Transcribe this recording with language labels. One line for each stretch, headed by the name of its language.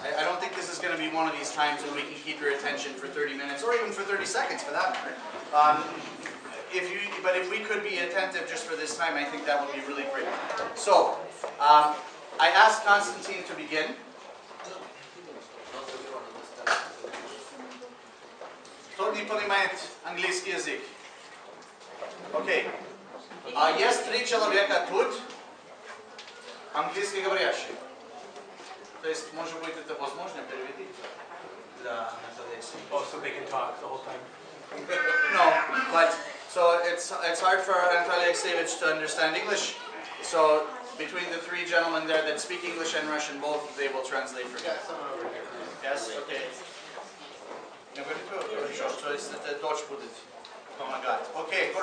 English: I don't think this is going to be one of these times when we can keep your attention for 30 minutes, or even for 30 seconds for that matter. If we could be attentive just for this time, I think that would be really great. So, I asked Constantine to begin.
Russian: Трудно понимает английский язык.
English: Okay.
Russian: Есть три человека тут, английский говорящий. То есть, может быть, это возможно перевести? Да, это есть.
English: Oh, so they can talk the whole time? No, but. So it's hard for Anatoly Alexeyevich to understand English. So between the three gentlemen there that speak English and Russian, both they will translate for me. Yes, okay.